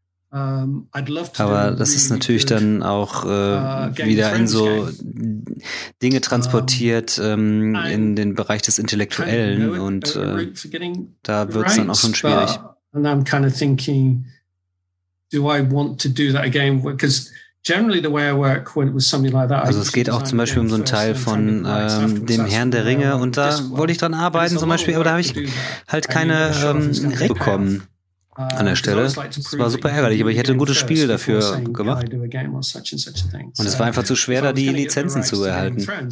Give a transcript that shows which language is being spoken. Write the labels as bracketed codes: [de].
[de] Aber das ist natürlich dann auch wieder in so Dinge transportiert in den Bereich des Intellektuellen und da wird es dann auch schon schwierig. [en] And I'm kind of thinking, do I want to do that again? Because generally the way I work when it was something like that. [de] Also es geht auch zum Beispiel um so einen Teil von dem Herrn der Ringe und da wollte ich dran arbeiten zum Beispiel, aber da habe ich halt keine Recht bekommen. an der Stelle. Es war super ärgerlich, aber ich hätte ein gutes Spiel dafür gemacht. Und es war einfach zu schwer, da die Lizenzen zu erhalten.